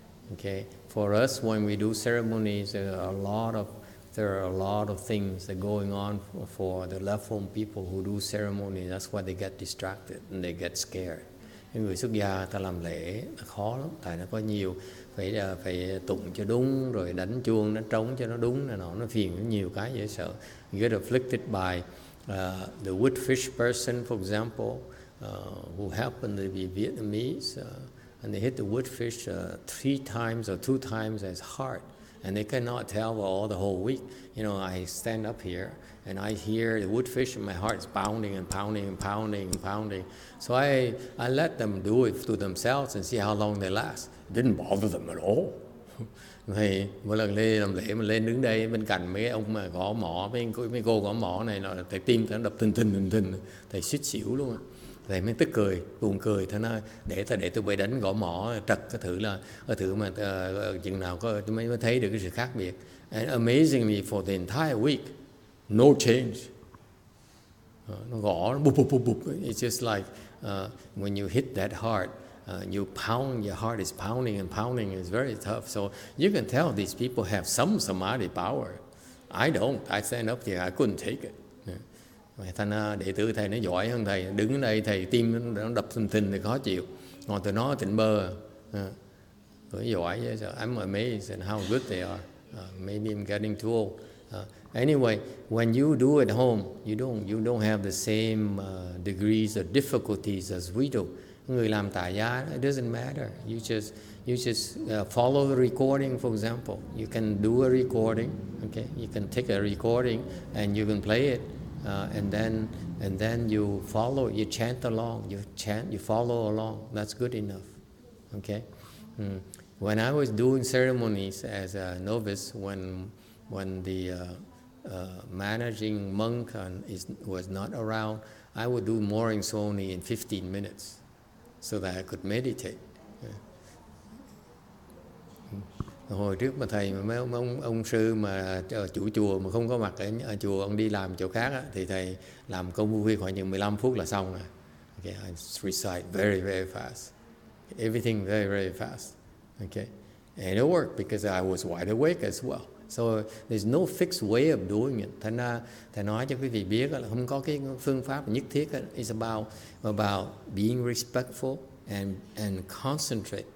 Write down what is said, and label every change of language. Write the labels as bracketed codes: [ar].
[en] Okay, for us when we do ceremonies, there are a lot of things that are going on for the left-home people who do ceremony. That's why they get distracted and they get scared. [vi] Người xuất gia ta làm lễ khó lắm, tại nó có nhiều, phải tụng cho đúng, rồi đánh chuông, đánh trống cho nó đúng, nó phiền nhiều cái dễ sợ. [en] You get afflicted by the woodfish person, for example, who happened to be Vietnamese, and they hit the woodfish three times or two times as hard, and they cannot tell for all the whole week. You know, I stand up here, and I hear the woodfish, and my heart's pounding and pounding and pounding and pounding. So I let them do it to themselves and see how long they last. It didn't bother them at all. [vi] Thì một lần đi làm lễ mà lên đứng đây bên cạnh mấy ông mà gõ mỏ, mấy cô gõ mỏ này, nó thấy tim nó đập tình, thấy xít xỉu luôn. Thầy mới tức cười, buồn cười, thầy nói, để tôi bị đánh gõ mỏ, trật cái thử là, cái thử mà chừng nào có mới thấy được cái sự khác biệt. [en] And amazingly, for the entire week, no change. [vi] Nó gõ, bụp, [en] it's just like, when you hit that hard, you pound, your heart is pounding and pounding, it's very tough. So you can tell these people have some samadhi power. I don't, I stand up there, I couldn't take it. [vi] Thành đệ tử thầy nó giỏi hơn thầy, đứng ở đây thầy tim nó đập thình thình thì khó chịu, ngồi tụi nó tỉnh bơ, tụi nó giỏi vậy. [en] So I'm amazed at how good they are. Maybe I'm getting too old. Anyway, when you do at home, you don't have the same degrees or difficulties as we do. [vi] Người làm tại gia, [en] it doesn't matter. You just follow the recording, for example. You can do a recording, okay? You can take a recording and you can play it. And then you follow, you chant along, you follow along. That's good enough, okay? When I was doing ceremonies as a novice, when the managing monk was not around, I would do morning ceremony in 15 minutes so that I could meditate. [vi] Hồi trước mà thầy mấy ông sư mà chủ chùa mà không có mặt ở chùa, ông đi làm chỗ khác á, thì thầy làm công phu khoảng chừng 15 phút là xong rồi. [en] Okay, I recite very very fast, everything very very fast. Okay, and it worked because I was wide awake as well. So there's no fixed way of doing it. [vi] Thành ra thầy nói cho quý vị biết là không có cái phương pháp nhất thiết. [en] It's about being respectful and concentrate.